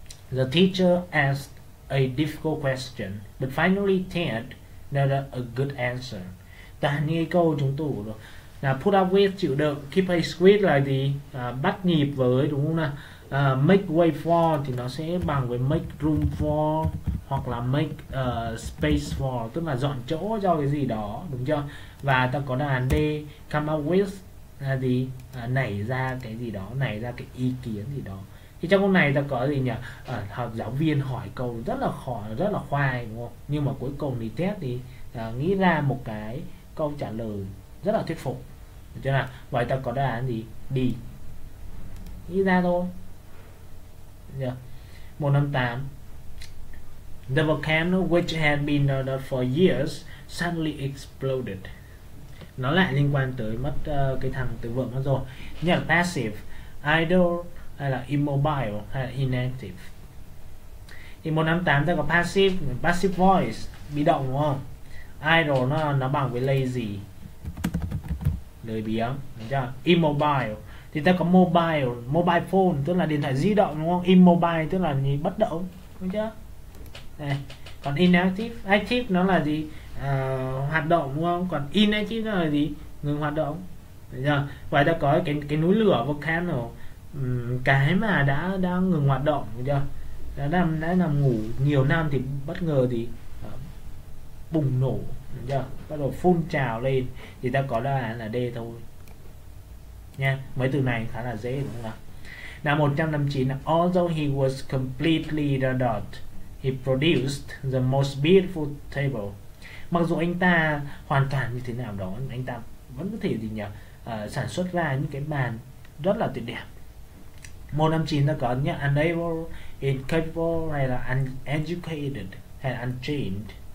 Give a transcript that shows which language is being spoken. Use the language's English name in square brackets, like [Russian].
[English] The teacher asked a difficult question, but finally turned out a good answer. [Vietnamese] Ta nghe câu chúng tôi rồi. Là [English] put up with [Vietnamese] chịu đựng, [English] keep pace with [Vietnamese] là gì? À, bắt nhịp với đúng không nào? [English] Make way for [Vietnamese] thì nó sẽ bằng với [English] make room for [Vietnamese] hoặc là [English] make space for, [Vietnamese] tức là dọn chỗ cho cái gì đó đúng chưa? Và ta có đáp án D, [English] come up with [Vietnamese] là gì? À, nảy ra cái gì đó, nảy ra cái ý kiến gì đó. Thì trong câu này ta có gì nhỉ? Học giáo viên hỏi câu rất là khó, rất là khoai đúng không? Nhưng mà cuối cùng thì test thì nghĩ ra một cái câu trả lời rất là thuyết phục. Được chưa nào? Vậy ta có đáp án gì? Đi. Nghĩ ra thôi. Được chưa? 158. [English] The volcano which had been under for years suddenly exploded. [Vietnamese] Nó lại liên quan tới mất cái thằng từ vựng mất rồi. Như là passive, idle hay là immobile hay là inactive. Thì 158 ta có [English] passive voice [Vietnamese] bị động đúng không? Idle nó bằng với lazy, lười biếng, đúng chưa? Immobile thì ta có mobile, mobile phone tức là điện thoại di động đúng không? Immobile tức là gì? Bất động, đúng chưa? Đây. Còn inactive, active nó là gì? Hoạt động đúng không? Còn inactive nó là gì? Ngừng hoạt động, đúng chưa? Vậy ta có cái núi lửa volcano, cái mà đã ngừng hoạt động, đúng chưa? Đã nằm ngủ nhiều năm thì bất ngờ thì bùng nổ, đúng chưa? Bắt đầu phun trào lên thì ta có đáp án là D thôi nha. Mấy từ này khá là dễ đúng không nào? Là 159. [English] Although he was completely the dot, he produced the most beautiful table. [Vietnamese] Mặc dù anh ta hoàn toàn như thế nào đó, anh ta vẫn có thể gì nhỉ, sản xuất ra những cái bàn rất là tuyệt đẹp. 159 nó có nhé, unable, incapable hay là uneducated hay là untrained.